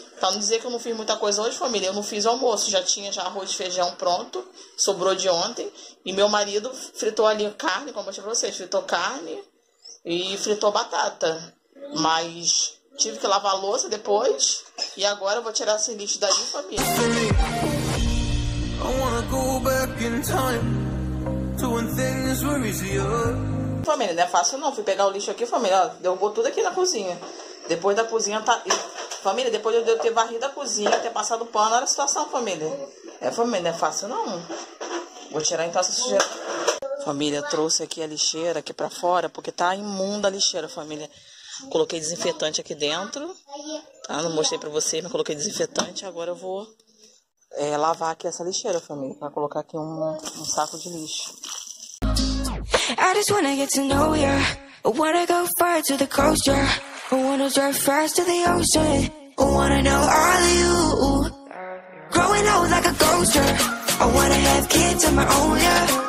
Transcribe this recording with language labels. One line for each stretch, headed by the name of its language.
Portuguese: Pra não dizer que eu não fiz muita coisa hoje, família. Eu não fiz almoço. Já tinha já arroz e feijão pronto. Sobrou de ontem. E meu marido fritou ali carne, como eu mostrei pra vocês. Fritou carne e fritou batata. Mas tive que lavar a louça depois. E agora eu vou tirar esse lixo daí, família.
English: I wanna go back in time to when things were easier.
Portuguese: Família, não é fácil não, fui pegar o lixo aqui, família, ó, derrubou tudo aqui na cozinha, depois da cozinha, tá, família, depois de eu ter varrido a cozinha, ter passado pano, olha a situação, família, família, não é fácil não, vou tirar então essa sujeira, família, trouxe aqui a lixeira aqui pra fora, porque tá imunda a lixeira, família, coloquei desinfetante aqui dentro, tá, não mostrei pra vocês, mas coloquei desinfetante, agora eu vou lavar aqui essa lixeira, família, pra colocar aqui um saco de lixo.
English: I just wanna get to know ya. I wanna go far to the coast, yeah. I wanna drive fast to the ocean. I wanna know all of you. Growing old like a ghost, yeah. I wanna have kids of my own, yeah.